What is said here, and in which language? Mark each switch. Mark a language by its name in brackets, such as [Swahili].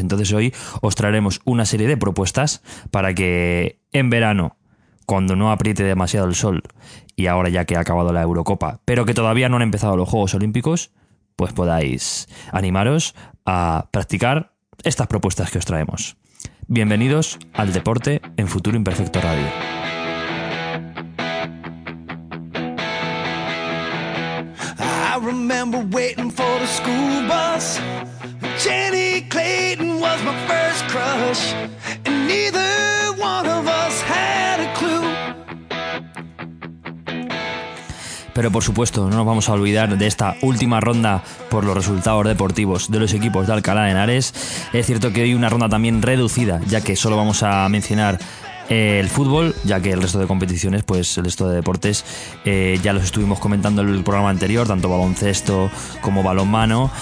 [Spanish] Entonces hoy os traeremos una serie de propuestas para que en verano, cuando no apriete demasiado el sol, y ahora ya que ha acabado la Eurocopa, pero que todavía no han empezado los Juegos Olímpicos, pues podáis animaros a practicar estas propuestas que os traemos. Bienvenidos al deporte en Futuro Imperfecto Radio. [English] I remember waiting for the school bus. Jenny Clayton was my first crush, and neither one of us had a clue. [Spanish] Pero por supuesto, no nos vamos a olvidar de esta última ronda por los resultados deportivos de los equipos de Alcalá de Henares. Es cierto que hoy una ronda también reducida, ya que solo vamos a mencionar el fútbol, ya que el resto de competiciones, pues el resto de deportes, ya los estuvimos comentando en el programa anterior, tanto baloncesto como balonmano.